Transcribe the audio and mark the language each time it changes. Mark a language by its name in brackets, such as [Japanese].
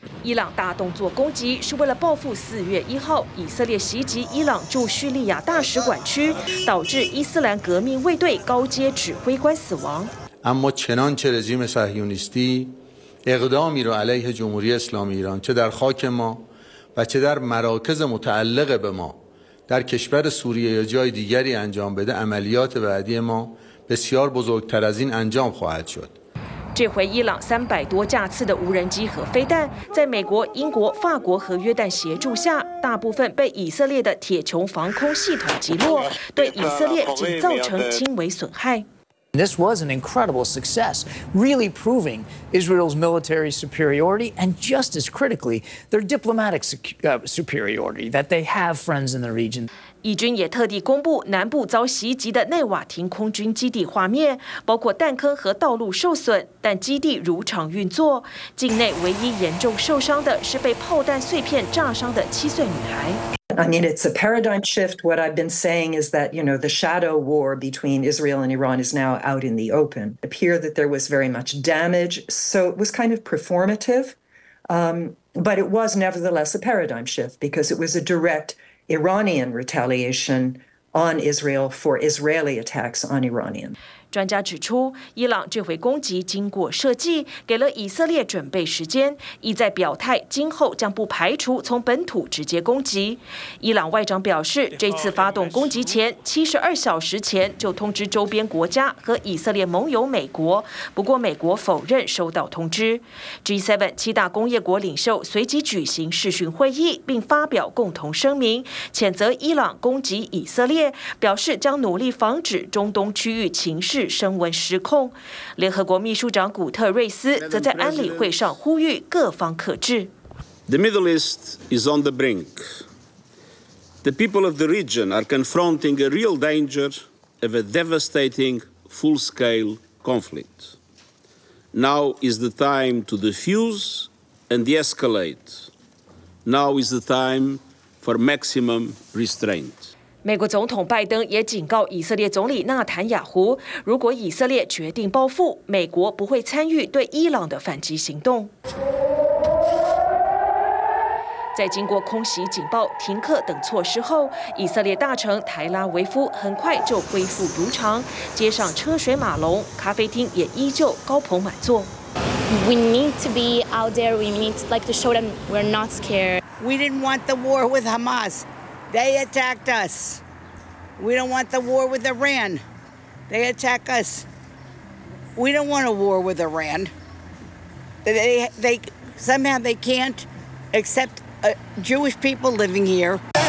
[Chinese] 伊朗大动作攻击是为了报复4月1号以色列袭击伊朗驻叙利亚大使馆区，导致伊斯兰革命卫队高阶指挥官死亡。 [Persian] اما چنانچه رژیم صهیونیستی اقدامی را علیه جمهوری اسلامی ایران چه در خاک ما و چه در مراکز متعلق به ما در کشور سوریه یا جای دیگری انجام بده، عملیات بعدی ما بسیار بزرگتر از این انجام خواهد شد。 [Chinese] 这回伊朗300多架次的无人机和飞弹，在美国、英国、法国和约旦协助下，大部分被以色列的铁穹防空系统击落，对以色列仅造成轻微损害。 [English] This was an incredible success, really proving Israel's military superiority and just as critically, their diplomatic superiority that they have friends in the region. [Chinese] 以军也特地公布南部遭袭击的内瓦廷空军基地画面，包括弹坑和道路受损，但基地如常运作。境内唯一严重受伤的是被炮弹碎片炸伤的7岁女孩。 [English] I mean, it's a paradigm shift. What I've been saying is that, you know, the shadow war between Israel and Iran is now out in the open. It appeared that there was very much damage, so it was kind of performative. But it was nevertheless a paradigm shift because it was a direct Iranian retaliation on Israel for Israeli attacks on Iranian. [Chinese] 专家指出，伊朗这回攻击经过设计，给了以色列准备时间，意在表态今后将不排除从本土直接攻击。伊朗外长表示，这次发动攻击前72小时前就通知周边国家和以色列盟友美国，不过美国否认收到通知。 G7 七大工业国领袖随即举行视讯会议，并发表共同声明，谴责伊朗攻击以色列，表示将努力防止中东区域情势升温失控。联合国秘书长古特瑞斯则在安理会上呼吁各方克制。 [English] The Middle East is on the brink. The people of the region are confronting a real danger of a devastating full-scale conflict. Now is the time to defuse and de-escalate. Now is the time for maximum restraint. [Chinese] 美国总统拜登也警告以色列总理纳坦雅胡，如果以色列决定报复，美国不会参与对伊朗的反击行动。在经过空袭警报、停课等措施后，以色列大城台拉维夫很快就恢复如常，街上车水马龙，咖啡厅也依旧高朋满座。 [English] We need to be out there. We need to, like, to show them we're not scared. We didn't want the war with Hamas. They attacked us. We don't want the war with Iran. They attack us. We don't want a war with Iran. They somehow they can't accept Jewish people living here.